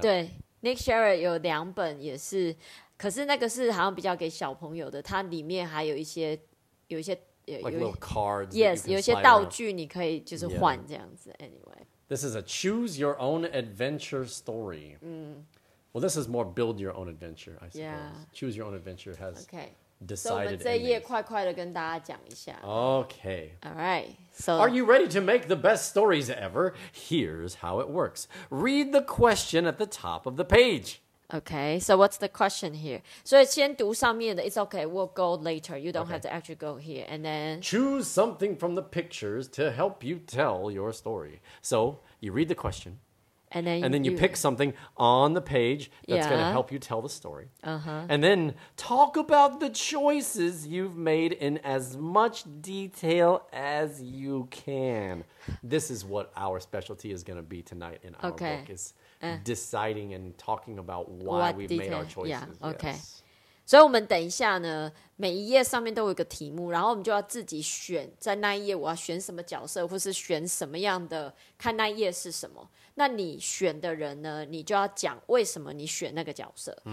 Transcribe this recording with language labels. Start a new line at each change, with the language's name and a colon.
Chinese: 对, Nick Sherritt 有两本也是,可是那个是好像比较给小朋友的,它里面还有一些,有一些,有,
English: like little cards.
Chinese: Yes, 有一些道具你可以就是换这样子, anyway.
English: This is a choose your own adventure story. Well, this is more build your own adventure, I suppose. Yeah. Choose your own adventure has okay. decided
Chinese: So, 我们这页快快地跟大家讲一下。
English: Okay. All right. So, are you ready to make the best stories ever? Here's how it works. Read the question at the top of the page. Okay. So, what's the question here? So,
Chinese: 先读上面的,
English: it's okay. We'll go later. You don't have to actually go here. And then... choose something from the pictures to help you tell your story. So, you read the question. And then you pick something on the page that's going to help you tell the story. Uh-huh. And then talk about the choices you've made in as much detail as you can. This is what our specialty is going to be tonight in our book, is deciding and talking about why what we've detail? Made our choices. Yeah, okay.
Chinese: So, 我们等一下呢，每一页上面都有一个题目，然后我们就要自己选，在那一页我要选什么角色，或是选什么样的，看那一页是什么。那你选的人呢，你就要讲为什么你选那个角色。